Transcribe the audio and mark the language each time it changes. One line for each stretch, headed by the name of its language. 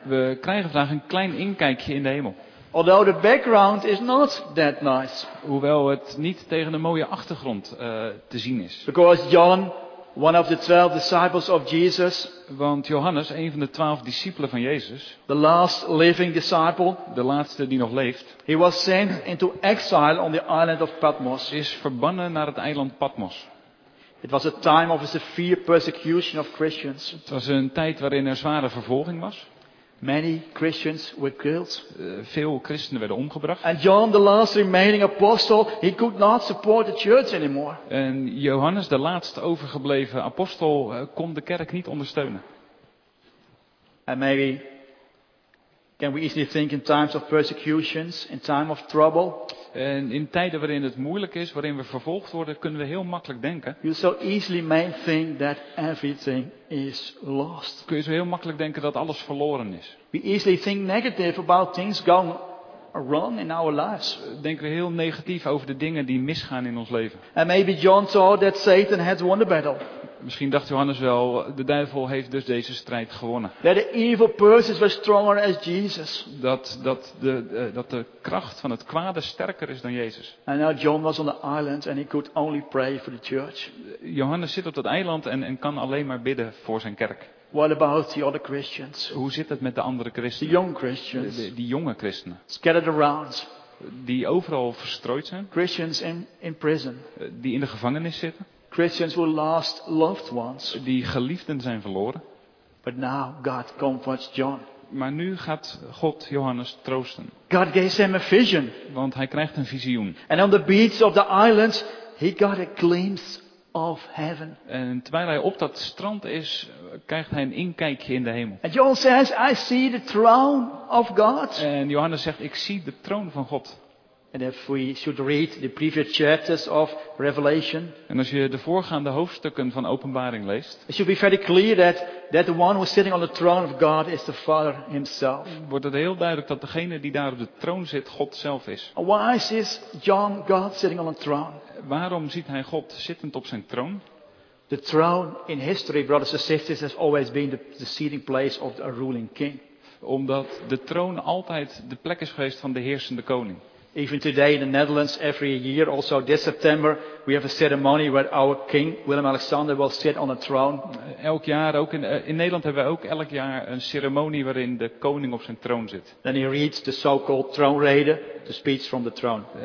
Dutch: We krijgen vandaag een klein inkijkje in de hemel.
English: Although the background is not that nice.
Dutch: Hoewel het niet tegen een mooie achtergrond te zien is.
English: Because John, one of the 12 disciples of Jesus.
Dutch: Want Johannes, een van de 12 discipelen van Jezus.
English: The last living disciple.
Dutch: De laatste die nog leeft.
English: He was sent into exile on the island of Patmos.
Dutch: Is verbannen naar het eiland Patmos.
English: It was a time of a severe persecution of Christians.
Dutch: Het was een tijd waarin er zware vervolging was.
English: Many Christians were killed.
Dutch: Veel christenen werden omgebracht.
English: And John, the last remaining apostle, he could not support the church anymore.
Dutch: En Johannes, de laatste overgebleven apostel, kon de kerk niet ondersteunen.
English: And maybe can we easily think in times of persecutions, in time of trouble?
Dutch: En in tijden waarin het moeilijk is, waarin we vervolgd worden, kunnen we heel makkelijk denken.
English: You so easily may think that everything is lost.
Dutch: Kun je zo heel makkelijk denken dat alles verloren is.
English: We easily think negative about things going wrong in our lives.
Dutch: Denken we heel negatief over de dingen die misgaan in ons leven.
English: And maybe John thought that Satan had won the battle.
Dutch: Misschien dacht Johannes wel, de duivel heeft dus deze strijd gewonnen.
English: That the evil persons were stronger as Jesus.
Dutch: Dat de kracht van het kwade sterker is dan Jezus.
English: And now John was on the island and he could only pray for the church.
Dutch: Johannes zit op dat eiland en kan alleen maar bidden voor zijn kerk.
English: What about the other Christians?
Dutch: Hoe zit het met de andere christenen?
English: The young Christians.
Dutch: Die jonge christenen.
English: Scattered around.
Dutch: Die overal verstrooid zijn.
English: Christians in prison.
Dutch: Die in de gevangenis zitten.
English: Christians who lost loved ones.
Dutch: Die geliefden zijn verloren.
English: But now God comforts John.
Dutch: Maar nu gaat God Johannes troosten.
English: God gave him a vision.
Dutch: Want hij krijgt een visioen.
English: And on the beach of the islands, he got a glimpse of heaven.
Dutch: En terwijl hij op dat strand is, krijgt hij een inkijkje in de hemel.
English: And John says, I see the throne of God.
Dutch: En Johannes zegt, ik zie de troon van God.
English: And if we should read the previous chapters of Revelation.
Dutch: En als je de voorgaande hoofdstukken van Openbaring leest.
English: It should be very clear that the one who is sitting on the throne of God is the Father himself.
Dutch: Wordt het heel duidelijk dat degene die daar op de troon zit God zelf is.
English: Why is John God sitting on the throne?
Dutch: Waarom ziet hij God zittend op zijn troon?
English: The throne in history, brothers and sisters, has always been the seating place of the ruling king.
Dutch: Omdat de troon altijd de plek is geweest van de heersende koning.
English: Even today in the Netherlands, every year, also this September, we have a ceremony where our king Willem-Alexander will sit on a throne.
Dutch: Elk jaar, ook in Nederland, hebben we ook elk jaar een ceremonie waarin de koning op zijn troon zit.
English: Then he reads the so-called troonrede, the speech from the throne.